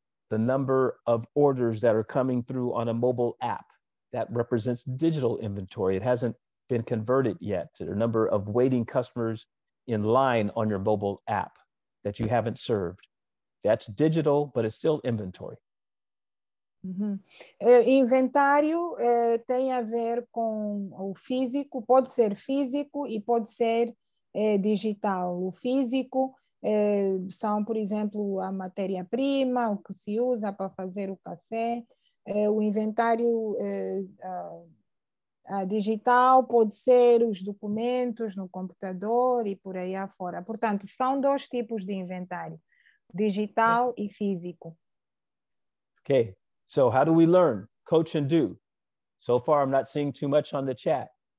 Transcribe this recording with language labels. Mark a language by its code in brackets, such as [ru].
[en] The number of orders that are coming through on a mobile app that represents digital inventory. It hasn't been converted yet. The number of waiting customers in line on your mobile app that you haven't served. That's digital, but it's still inventory. Uhum. [pt] Inventário tem a ver com o físico, pode ser físico e pode ser digital. O físico são, por exemplo, a matéria-prima, o que se usa para fazer o café. O inventário digital pode ser os documentos no computador e por aí afora. Portanto, são dois tipos de inventário, digital e físico. [en] Ok. So how do we learn? Coach and do. So far, I'm not seeing too much on the chat.